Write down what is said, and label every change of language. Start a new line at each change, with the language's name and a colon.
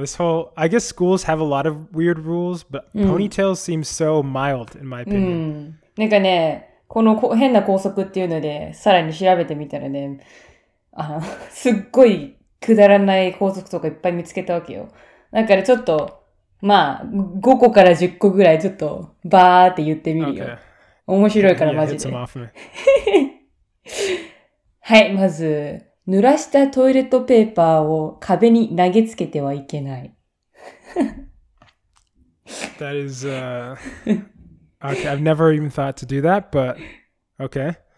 English: This whole, I guess schools have a lot of weird rules, but ponytails seem so mild in my opinion.
Japanese: なんかね、 この変な校則っていうので、さらに調べてみたらね、すっごいくだらない校則とかいっぱい見つけたわけよ。なんかちょっと、まあ、5個から10個ぐらいちょっとバーって言ってみるよ。面白いからマジで。はい、まず濡らしたトイレットペーパーを壁に投げつけてはいけない。That
English: is Okay, I've never even thought to do that, but okay.